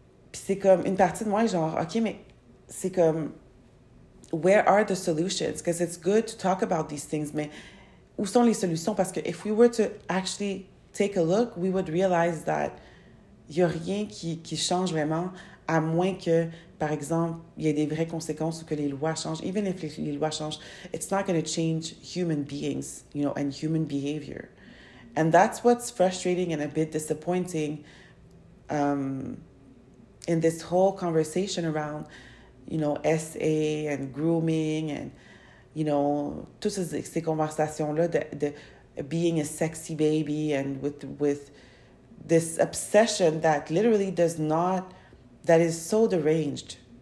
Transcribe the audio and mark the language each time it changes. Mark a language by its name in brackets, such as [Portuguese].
[French] Puis c'est comme, une partie de moi, genre, OK, mais c'est comme, [English] where are the solutions? Because it's good to talk about these things, [French] mais où sont les solutions? Parce que [English] if we were to actually take a look, we would realize that [French] y a rien qui change vraiment À moins que, par exemple, il y ait des vraies conséquences ou que les lois changent. [English] Even if [French] les lois changent, [English] it's not going to change human beings, you know, and human behavior. And that's what's frustrating and a bit disappointing in this whole conversation around, you know, SA and grooming and, you know, [French] toutes ces conversations-là de [English] being a sexy baby and with this obsession that literally does not, that is so deranged,